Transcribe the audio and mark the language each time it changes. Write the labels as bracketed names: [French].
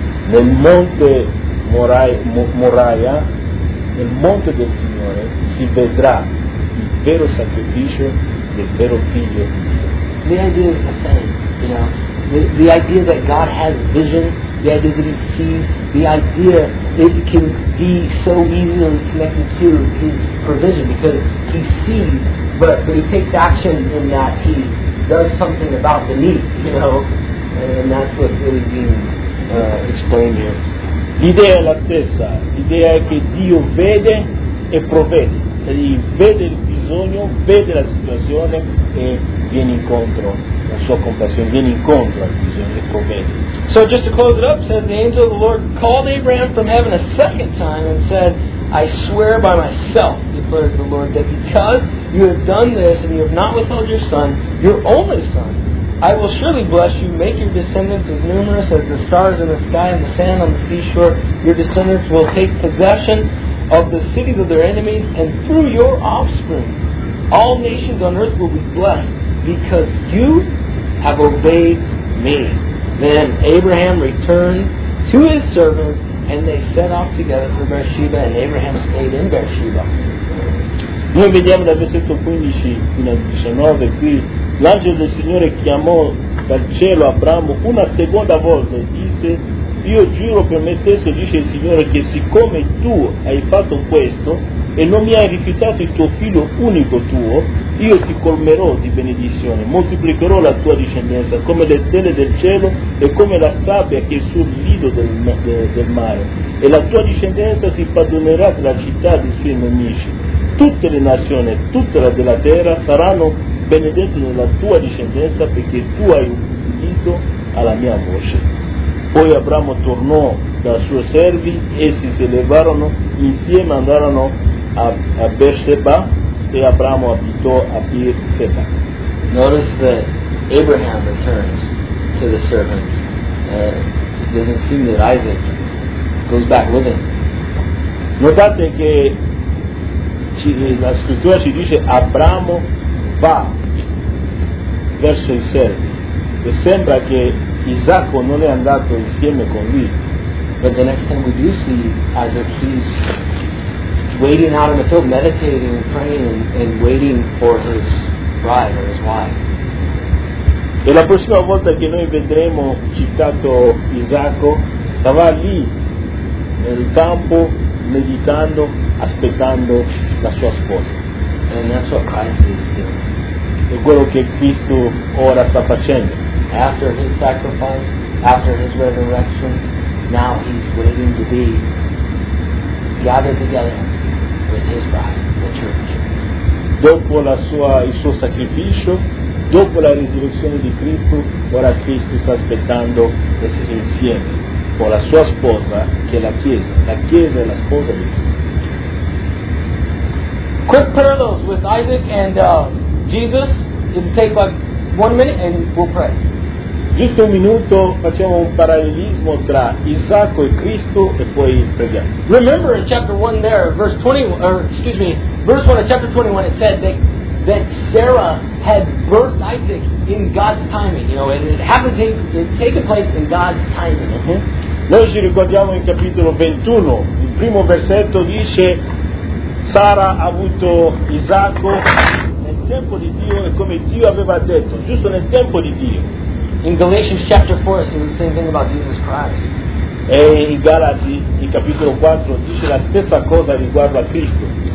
[Italian] Nel monte Moriah, nel monte del Signore, si vedrà il vero sacrificio del vero figlio di Dio. [English] The idea is the same, you know. The idea that God has vision, the idea that he sees, the idea it can be so easily connected to his provision, because he sees, but he takes action in that he does something about the need, you know, and that's what's really being explained here. [Italian] L'idea è la stessa, l'idea è che Dio vede e provvede, quindi vede il bisogno, vede la situazione e viene incontro, la sua compassione viene incontro al bisogno e provvede. [English] So just to close it up, said the angel of the Lord called Abraham from heaven a second time and said, I swear by myself, declares the Lord, that because you have done this and you have not withheld your son, your only son, I will surely bless you, make your descendants as numerous as the stars in the sky and the sand on the seashore. Your descendants will take possession of the cities of their enemies, and through your offspring all nations on earth will be blessed because you have obeyed me. Then Abraham returned to his servants, and they set off together for Beersheba, and Abraham stayed in Beersheba. [Italian] Noi vediamo dal versetto 15 fino al 19 qui, l'angelo del Signore chiamò dal cielo Abramo una seconda volta e disse: io giuro per me stesso, dice il Signore, che siccome tu hai fatto questo e non mi hai rifiutato il tuo figlio unico tuo, io ti colmerò di benedizione, moltiplicherò la tua discendenza come le stelle del cielo e come la sabbia che è sul lido del mare, e la tua discendenza si padronerà della città dei suoi nemici. Tutte le nazioni, tutta la della terra saranno benedette nella tua discendenza perché tu hai ubbidito alla mia voce. Poi Abramo tornò dai suoi servi e si elevarono insieme, andarono a Beersheba e Abramo abitò a Beersheba. [English] Notice that Abraham returns to the servants. It doesn't seem that Isaac goes back with him. [Italian] Notate che la scrittura ci dice Abramo va verso i servi e sembra che Isacco non è andato insieme con lui. [English] But the next time we do see Isaac, he's waiting out in the field, meditating and praying and waiting for his bride or his wife. [Italian] E la prossima volta che noi vedremo citato Isacco, sarà lì nel campo meditando, aspettando la sua sposa. [English] And that's what Christ is doing. [Italian] È quello che Cristo ora sta facendo. [English] After his sacrifice, after his resurrection, now he's waiting to be gathered together with his bride, the church. [Italian] Dopo la sua, il suo sacrificio, dopo la risurrezione di Cristo, ora Cristo sta aspettando essere insieme con la sua sposa, che è la Chiesa. La Chiesa è la sposa di Cristo. [English] Quick parallels with Isaac and Jesus. It'll take like 1 minute and we'll pray. [Italian] Giusto un minuto, facciamo un parallelismo tra Isacco e Cristo e poi preghiamo. [English] Remember in chapter 1 there, verse 21, or excuse me, verse 1 of chapter 21, it said that Sarah had birthed Isaac in God's timing, you know, and it happened to take a place in God's timing. [Italian] Noi ci ricordiamo in capitolo 21, il primo versetto dice Sara ha avuto Isacco nel tempo di Dio e come Dio aveva detto, giusto nel tempo di Dio. [English] In Galatians chapter 4 it says the same thing about Jesus Christ. [Italian] E in Galati, in capitolo 4, dice la stessa cosa riguardo a Cristo.